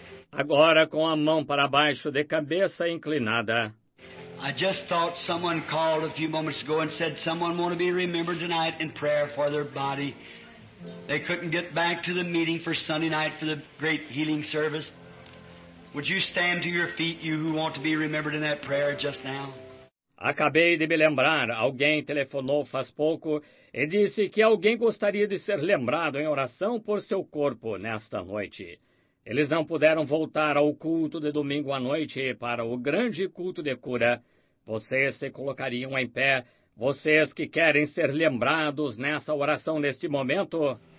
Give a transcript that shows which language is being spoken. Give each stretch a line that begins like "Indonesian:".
Portuguese: Agora com a mão para baixo, de cabeça inclinada.
English: I just thought someone called a few moments ago and said someone want to be remembered tonight in prayer for their body. They couldn't get back to the meeting for Sunday night for the great healing service. Would you stand to your feet, you who want to be remembered in that prayer just now?
Portuguese: Acabei de me lembrar. Alguém telefonou faz pouco e disse que alguém gostaria de ser lembrado em oração por seu corpo nesta noite. Eles não puderam voltar ao culto de domingo à noite para o grande culto de cura. Vocês se colocariam em pé, vocês que querem ser lembrados nessa oração neste momento?